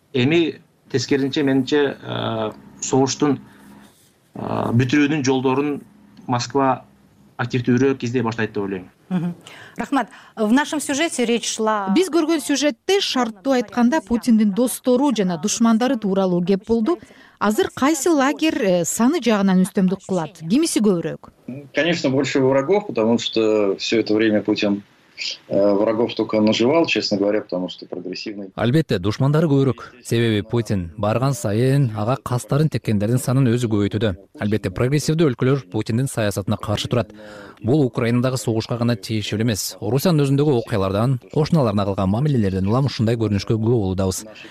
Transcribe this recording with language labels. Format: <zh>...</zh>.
<ky>Эми тескерисинче менимче согуштун бүтүрүүнүн жолдорун Москва активдүүрөөк кезде баштайт деп ойлойм.</ky> <ru>Рахмат. В нашем сюжете речь шла.</ru> <ky>Биз көргөн сюжетте шарттуу айтканда Путиндин достору жана душмандары тууралуу кеп болду. Азыр кайсы лагерь саны жагынан үстөмдүк кылат? Кимиси көбүрөөк?</ky> <ru>Конечно, больше врагов, потому что все это время Путин врагов только наживал, честно говоря, потому что прогрессивный.</ru> <ky>Албетте, душмандары көбүрөөк. Себеби Путин барган сайын ага кастарын теккендердин санын өзү көбөйтүүдө. Албетте, прогрессивдүү өлкөлөр Путиндин саясатына каршы турат. Бул Украинадагы согушка гана тиешелүү эмес. Орусиянын өзүндөгү окуялардан, кошуналарына кылган мамилелерден улам ушундай көрүнүшкө күбө болуудабыз.</ky>